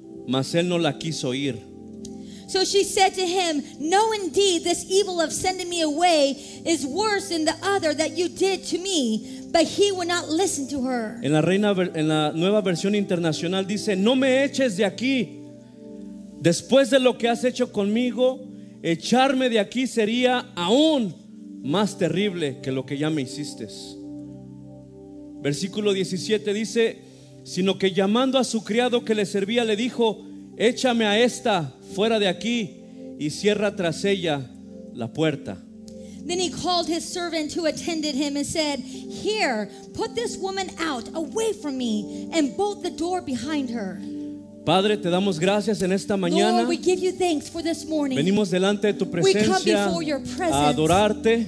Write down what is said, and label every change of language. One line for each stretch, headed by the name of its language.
Spanish: Mas él no la quiso ir.
English: So she said to him, no, indeed, this evil of sending me away is worse than the other that you did to me. But he would not listen to her.
Spanish: En la nueva versión internacional dice, no me eches de aquí. Después de lo que has hecho conmigo, echarme de aquí sería aún más terrible que lo que ya me hiciste. Versículo 17 dice, sino que llamando a su criado que le servía, le dijo, échame a esta fuera de aquí y cierra tras ella la puerta.
English: Then he called his servant who attended him and said, here, put this woman out, away from me, and bolt the door behind her.
Spanish: Padre, te damos gracias en esta mañana.
English: Lord, we give you thanks for this morning.
Spanish: Venimos delante de tu presencia.
English: We come before your presence.
Spanish: A adorarte.